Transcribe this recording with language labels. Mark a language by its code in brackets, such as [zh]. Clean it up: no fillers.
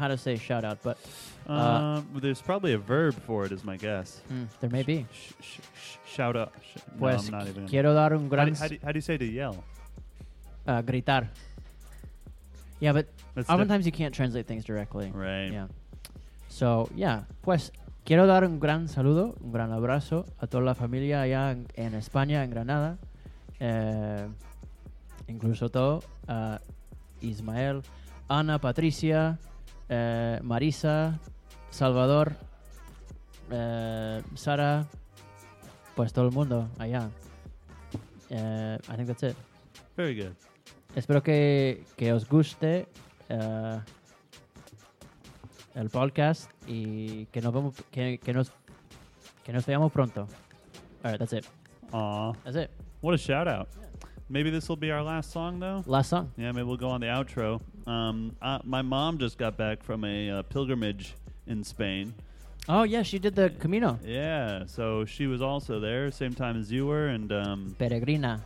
[en] How to say shout out, but there's probably a verb for it, is my guess. There may be. Shout out. [es] Pues [en] no, I'm not even. [es] Quiero dar un gran. [en] How do you say to yell? [es] Gritar. [en] Yeah, but that's oftentimes you can't translate things directly. Right. Yeah. [es] So yeah, pues quiero dar un gran saludo, un gran abrazo a toda la familia allá en España, en Granada. Incluso todo, Ismael, Ana, Patricia, Marisa, Salvador, Sara, pues todo el mundo allá. [en] I think that's it. Very good. [es] Espero que os guste el podcast y que nos veamos pronto. [en] All right, that's it. Aww. That's it. What a shout out. Yeah. Maybe this will be our last song, though. Last song. Yeah, maybe we'll go on the outro. My mom just got back from a pilgrimage in Spain. Oh, yeah, she did the Camino. Yeah, so she was also there, same time as you were. And [es] Peregrina.